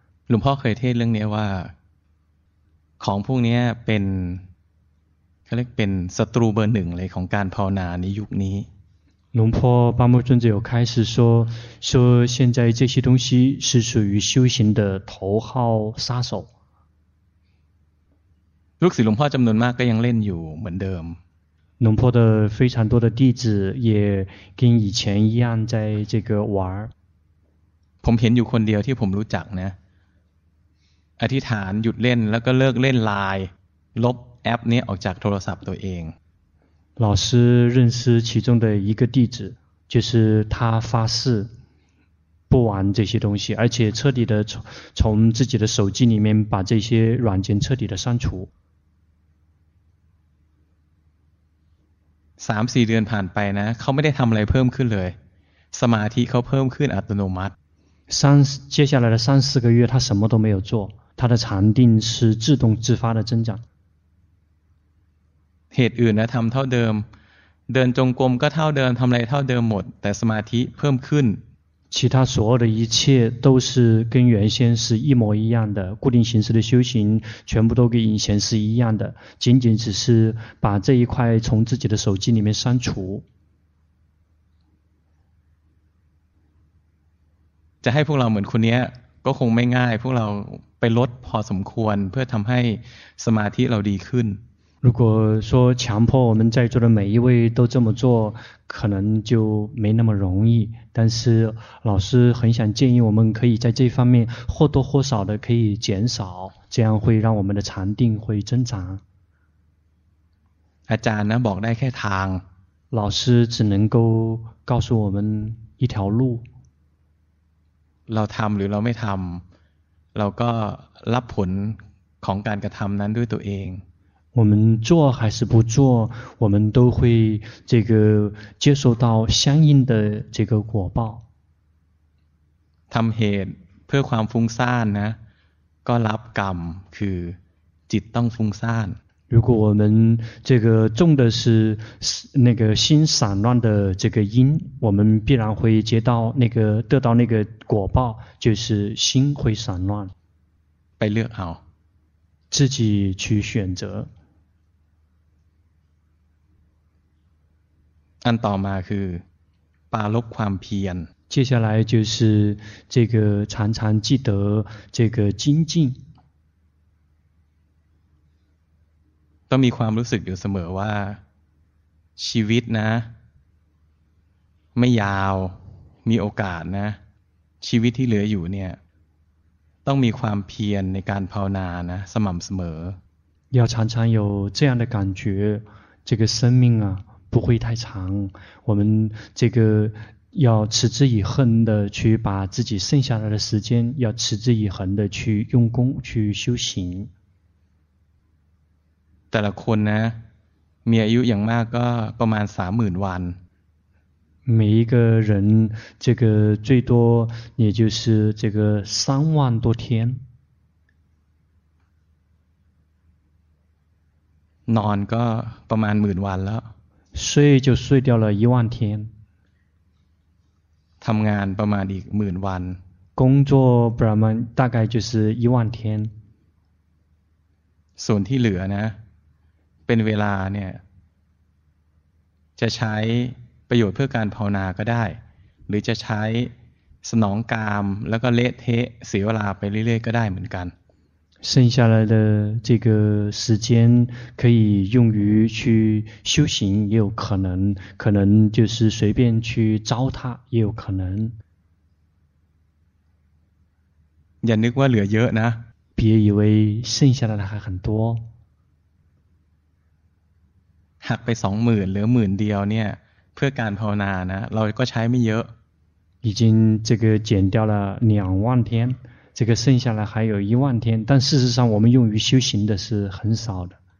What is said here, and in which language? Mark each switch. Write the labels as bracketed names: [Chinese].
[Thai] หลวงพ่อเคยเทศเรื่องนี้ว่าของพวกนี้เป็นเขาเรียกเป็นศัตรูเบอร์หนึ่งเลยของการภาวนาในยุคนี้ [Chinese] 龙婆巴木尊者有开始说现在这些东西是属于修行的头号杀手。 [Thai] ลูกศิษย์หลวงพ่อจำนวนมากก็ยังเล่นอยู่เหมือนเดิม。 [Chinese] 龙婆的非常多的弟子也跟以前一样在这个玩。 [Thai] ผมเห็นอยู่คนเดียวที่ผมรู้จักนะอธิษฐานหยุดเล่นแล้วก็เลิกเล่นไลน์ลบแอปนี้ออกจากโทรศัพท์ตัวเอง [Chinese] 老师认识其中的一个弟子就是他发誓不玩这些东西而且彻底的 从自己的手机里面把这些软件彻底的删除三四个月 [Thai] ผ่านไปนะเขาไม่ได้ทำอะไรเพิ่มขึ้นเลยสมาธิเขาเพิ่มขึ้นอัตโนมัติ [Chinese] 接下来的三四个月他什么都没有做他的禅定是自动自发的增长 [Thai] เหตุอื่นนะทำเท่าเดิมเดินจงกรมก็เท่าเดิมทำอะไรเท่าเดิมหมดแต่สมาธิเพิ่มขึ้น [Chinese] 其他所有的一切都是跟原先是一模一样的，固定形式的修行全部都跟以前是一样的，仅仅只是把这一块从自己的手机里面删除。 [Thai] จะให้พวกเราเหมือนคนนี้ก็คงไม่ง่ายพวกเราไปลดพอสมควรเพื่อทำให้สมาธิเราดีขึ้น [Chinese] 如果说强迫我们在座的每一位都这么做可能就没那么容易但是老师很想建议我们可以在这方面或多或少的可以减少这样会让我们的禅定会增长 [Thai] อาจารย์นะบอกได้แค่ทาง [Chinese] 老师只能够告诉我们一条路 [Thai] เราทำหรือเราไม่ทำเราก็รับผลของการกระทำนั้นด้วยตัวเอง [Chinese] 我们做还是不做我们都会这个接受到相应的这个果报 [Thai] ทำเหตุเพื่อความฟุ้งซ่านนะก็รับกรรมคือจิตต้องฟุ้งซ่าน [Chinese] 如果我们这个种的是那个心散乱的这个因，我们必然会接到那个得到那个果报，就是心会散乱。 [Thai] ไปเลือกเอา [Chinese] 自己去选择。 [Thai] อันต่อมาคือปรารภความเพียร。 [Chinese] 接下来就是这个常常记得这个精进。 [Thai] ก็มีความรู้สึกอยู่เสมอว่าชีวิตนะไม่ยาวมีโอกาสนะชีวิตที่เหลืออยู่เนี่ยต้องมีความเพียรในการภาวนานะสม่ำเสมอ [Chinese] 要常常有这样的感觉这个生命啊不会太长我们这个要持之以恒的去把自己剩下来的时间要持之以恒的去用功去修行 [Thai] แต่ละคนนะมีอายุอย่างมากก็ประมาณ 30,000 วัน [Chinese] 每一个人这个最多也就是这个3万多天 [Thai] นอนก็ประมาณ 10,000 วันแล้ว [Chinese] 睡就睡掉了1万天 [Thai] ทำงานประมาณอีก 10,000 วัน [Chinese] 工作ประมาณ大概就是1万天 [Thai] ส่วนที่เหลือนะเป็นเวลาเนี่ยจะใช้ประโยชน์เพื่อการภาวนาก็ได้หรือจะใช้สนองกามแล้วก็เละเทะเสียเวลาไปเรื่อยๆก็ได้เหมือนกัน [Chinese] 剩下来的这个时间可以用于去修行也有可能可能就是随便去糟蹋也有可能 [Thai] อย่านึกว่าเหลือเยอะนะ [Chinese] 别以为剩下来的还很多 [Thai] หักไป 20,000 เหลือ 10,000 เดียวเนี่ยเพื่อการภาวนานะเราก็ใช้ไม่เยอะ [Chinese] 已经这个减掉了2万天这个剩下来还有1万天但事实上我们用于修行的是很少的